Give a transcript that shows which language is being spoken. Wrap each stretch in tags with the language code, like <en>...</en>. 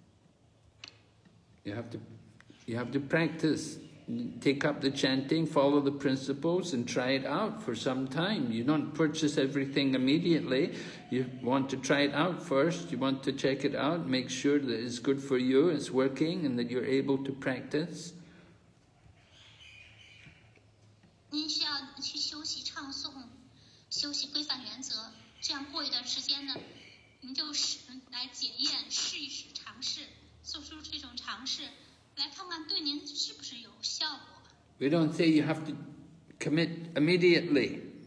<en>You have to practice, take up the chanting, follow the principles, and try it out for some time. You don't purchase everything immediately. You want to try it out first. You want to check it out, make sure that it's good for you, it's working, and that you're able to practice.</en> <zh>您需要去休息、唱诵、休息规范原则，这样过一段时间呢，您就是来检验、试一试、尝试，做出这种尝试，来看看对您是不是有效果。</zh> <en>We don't say you have to commit immediately.</en>